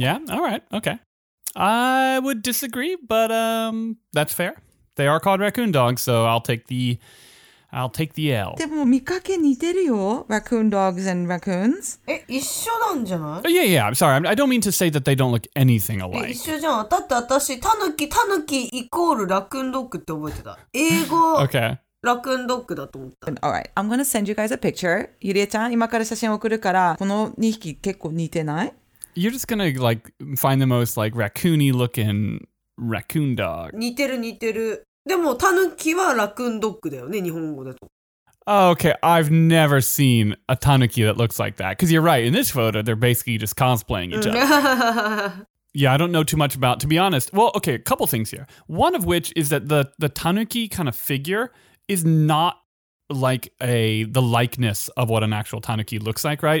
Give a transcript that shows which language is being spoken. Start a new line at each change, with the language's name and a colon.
English: Yeah, all right, okay. I would disagree, but that's fair. They are called raccoon dogs, so I'll take the L.
Japanese: でも見かけ似てるよ、
English: raccoon dogs and raccoons.
Japanese: え、一緒なんじゃない
English: ？ Yeah, I'm sorry. I don't mean to say that they don't look anything alike.
Japanese: 一緒じゃん。だって私、タヌキ、タヌキイコールラクーンドッグって覚えてた。英語、
English: okay.
Japanese: ラクーンドッグだと思った。
English: All right, I'm gonna send you guys a picture.
Japanese: ゆりえちゃん、今から写真送るから、この2匹結構似てない？
English: You're just gonna like find the most like raccoony looking... Raccoon dog.
Japanese: 似てる似てる。でもタヌキはラクーンドッグだよね、日本語だと。
English: Okay, I've never seen a tanuki that looks like that. Because you're right, in this photo, they're basically just cosplaying each other. Yeah, I don't know too much about, to be honest. Well, okay, a couple things here. One of which is that the tanuki kind of figure is not like the likeness of what an actual tanuki looks like, right?